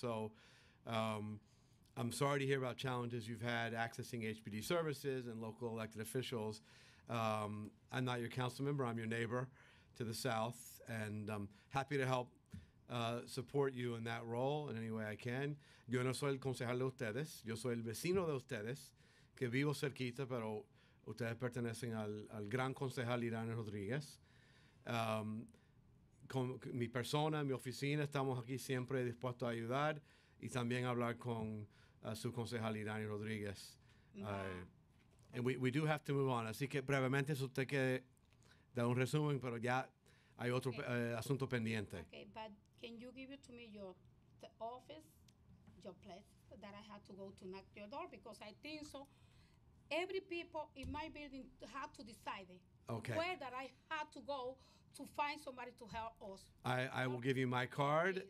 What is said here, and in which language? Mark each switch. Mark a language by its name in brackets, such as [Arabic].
[English] So I'm sorry to hear about challenges you've had accessing HPD services and local elected officials. I'm not your council member, I'm your neighbor to the south, and I'm happy to help support you in that role in any way I can. [Spanish] Yo no soy el concejal de ustedes. Yo soy el vecino de ustedes, que vivo cerquita, pero ustedes pertenecen al gran concejal Irán Rodríguez. Con mi persona, mi oficina, estamos aquí siempre dispuestos a ayudar y también hablar con su concejal Irán Rodríguez. [English] And we do have to move on. [Spanish] Así que brevemente, si usted quiere dar un resumen, pero ya hay otro asunto pendiente. [English] Okay, can you give it to me, your office, your place, that I have to go to knock your door? Because I think so, every people in my building had to decide okay. where that I had to go to find somebody to help us. I will give you my card.